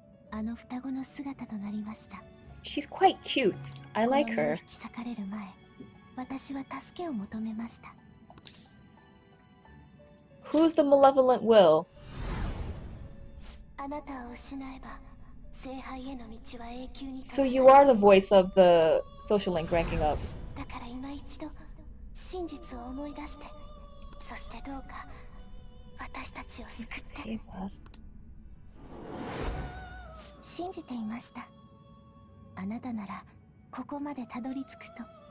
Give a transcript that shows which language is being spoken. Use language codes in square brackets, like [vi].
[ja] あの双子の姿となりました。 [en] She's quite cute. I like her. [ja] 引き裂かれる前、私は助けを求めました。 [en] Who's the malevolent will? [ja] あなたを失えば、聖杯への道は永久に。 [en] So you are the voice of the social link ranking up. [ja] だから今一度真実を思い出して、そしてどうか私たちを救って。信じていました。あなたならここまでたどり着くと。